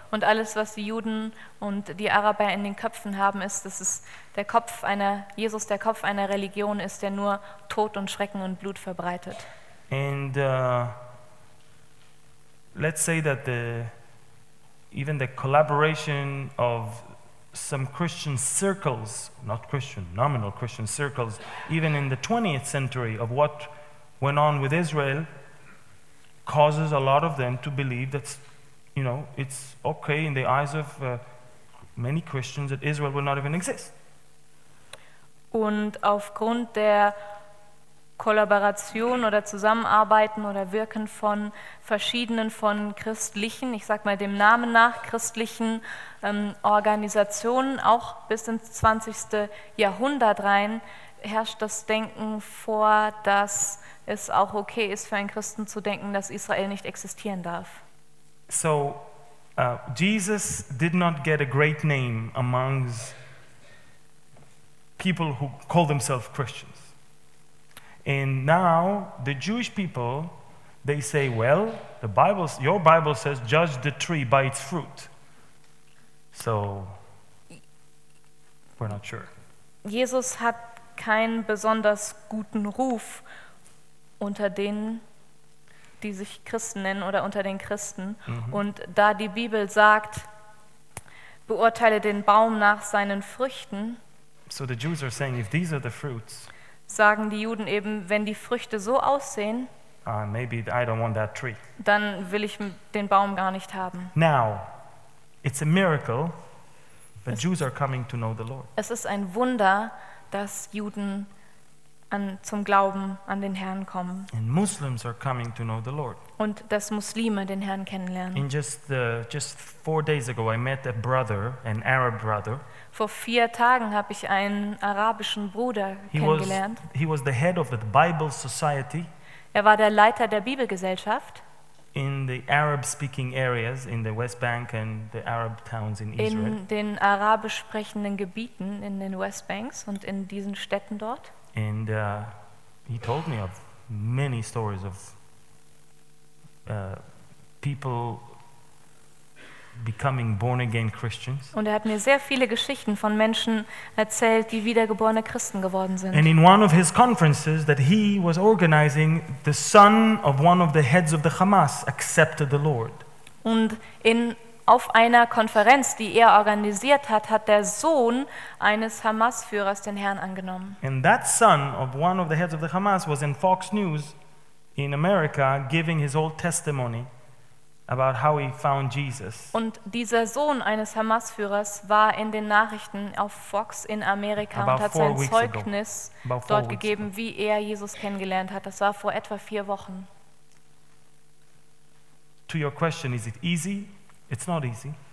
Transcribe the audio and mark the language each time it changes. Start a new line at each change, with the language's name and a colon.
German: Und alles, was die Juden und die Araber in den Köpfen haben, ist, dass es der Kopf einer Jesus, der Kopf einer Religion ist, der nur Tod und Schrecken und Blut verbreitet.
English: And let's say that even the collaboration of some Christian circles, not Christian, nominal Christian circles, even in the 20th century of what went on with Israel, causes a lot of them to believe that, you know, it's okay in the eyes of many Christians that Israel will not even exist.
German: Und aufgrund der Kollaboration oder Zusammenarbeiten oder Wirken von verschiedenen von christlichen, ich sag mal dem Namen nach, christlichen Organisationen, auch bis ins 20. Jahrhundert rein, herrscht das Denken vor, dass es auch okay ist für einen Christen zu denken, dass Israel nicht existieren darf.
English: So, Jesus did not get a great name amongst people who call themselves Christians. And now the Jewish people, they say, well, the Bible, your Bible says, judge the tree by its fruit. So, we're not sure.
German: Jesus hat keinen besonders guten Ruf unter denen, die sich Christen nennen oder unter den Christen. Mm-hmm. Und da die Bibel sagt, beurteile den Baum nach seinen Früchten.
English: So the Jews are saying, if these are the fruits,
German: sagen die Juden eben, wenn die Früchte so aussehen,
English: maybe I don't want that tree.
German: Dann will ich den Baum gar nicht haben.
English: Now, it's a miracle, but Jews are coming to know the Lord.
German: Es ist ein Wunder, dass Juden zum Glauben an den Herrn kommen.
English: And Muslims are coming to know the Lord.
German: Und dass Muslime den Herrn kennenlernen.
English: In just 4 days ago, I met a brother, an Arab brother.
German: Vor 4 Tagen habe ich einen arabischen Bruder kennengelernt.
English: He was the head of the Bible Society.
German: Er war der Leiter der Bibelgesellschaft.
English: In the Arab-speaking areas in the West Bank and the Arab towns in Israel.
German: In den arabisch sprechenden Gebieten in den West Banks und in diesen Städten dort.
English: And he told me of many stories of people becoming born again Christians.
German: Und er hat mir sehr viele Geschichten von Menschen erzählt, die wiedergeborene Christen geworden sind.
English: And in one of his conferences that he was organizing, the son of one of the heads of the Hamas accepted the Lord.
German: Und auf einer Konferenz, die er organisiert hat, hat der Sohn eines Hamas-Führers den Herrn angenommen.
English: And that son of one of the heads of the Hamas was in Fox News in America giving his whole testimony about how he found Jesus.
German: Und dieser Sohn eines Hamas-Führers war in den Nachrichten auf Fox in Amerika und hat sein Zeugnis dort gegeben, wie er Jesus kennengelernt hat. Das war vor etwa 4 Wochen.
English: To your question, is it easy? It's not easy.